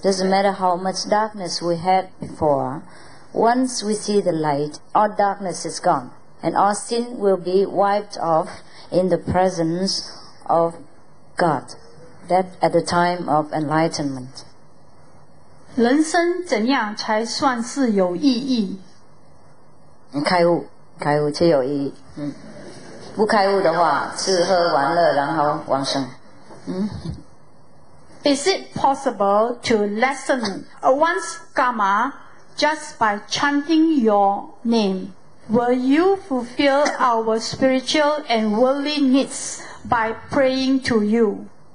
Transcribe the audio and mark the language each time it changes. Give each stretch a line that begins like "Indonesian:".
English: Doesn't matter how much darkness we had before, once we see the light, all darkness is gone, and all sin will be wiped off in the presence of God. That at the time of enlightenment.
Chinese: 人生怎样才算是有意义？开悟，开悟才有意义。不开悟的话，吃喝玩乐，然后往生。
English: Is it possible to lessen one's karma just by chanting your name? Will you fulfill our spiritual and worldly needs by praying to you?